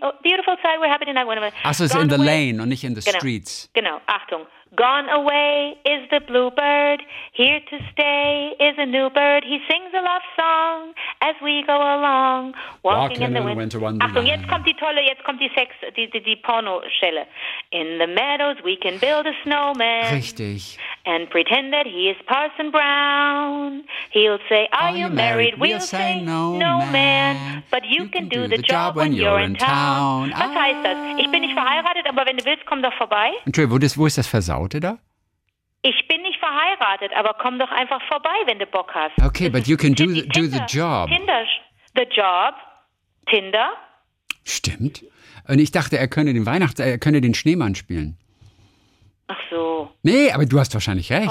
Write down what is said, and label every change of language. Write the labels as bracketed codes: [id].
[en] Oh, beautiful sight, we're happy tonight. [de] Also, [en] it's in the lane [de] und nicht [en] in the streets. [de] Genau, Achtung. [en] Gone away is the bluebird, here to stay is a new bird. He sings a love song as we go along, walking in the winter wonderland. [de] Achtung, jetzt kommt die Pornoschelle. [en] In the meadows we can build a snowman. [de] Richtig. [en] And pretend that he is Parson Brown. He'll say, are you married? We'll say no, man. But you can do the job when you're in town. [de] Was heißt das? Ich bin nicht verheiratet, aber wenn du willst, komm doch vorbei. Entschuldigung, wo ist das Versaute da? Ich bin nicht verheiratet, aber komm doch einfach vorbei, wenn du Bock hast. [en] Okay, but you can do the job. The job, Tinder. [de] Stimmt. Und ich dachte, er könne den Schneemann spielen. Ach so. Nee, aber du hast wahrscheinlich recht.